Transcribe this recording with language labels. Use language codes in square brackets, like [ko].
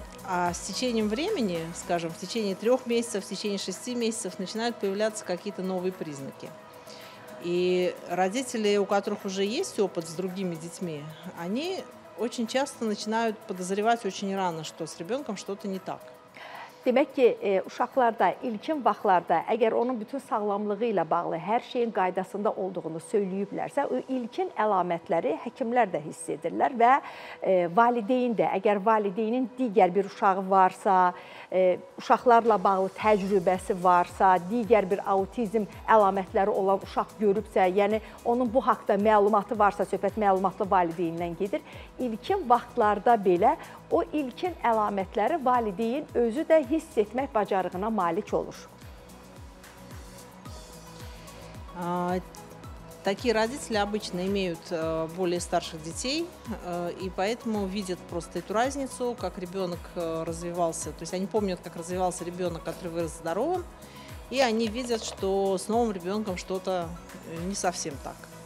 [ru] А с течением времени, скажем, в течение 3 месяцев, в течение 6 месяцев начинают появляться какие-то новые признаки. И родители, у которых уже есть опыт с другими детьми, они очень часто начинают подозревать очень рано, что с ребенком что-то не так. [az] Demək ki, uşaqlarda, ilkin vaxtlarda, əgər onun bütün sağlamlığı ilə bağlı hər şeyin qaydasında olduğunu söyləyiblərsə, o ilkin əlamətləri həkimlər də hiss edirlər və valideyn də, əgər valideynin digər bir uşağı varsa, uşaqlarla bağlı təcrübəsi varsa, digər bir autizm əlamətləri olan uşaq görübsə, yəni onun bu haqda məlumatı varsa, söhbət məlumatlı valideynindən gedir, ilkin vaxtlarda belə o ilkin əlamətləri valideyn özü də hiss etmək bacarığına malik olur. [ru] Такие родители обычно имеют более старших детей, и поэтому видят просто эту разницу, как ребенок развивался. То есть они помнят, как развивался ребенок, который вырос здоровым, и они видят, что с новым ребенком что-то не совсем так.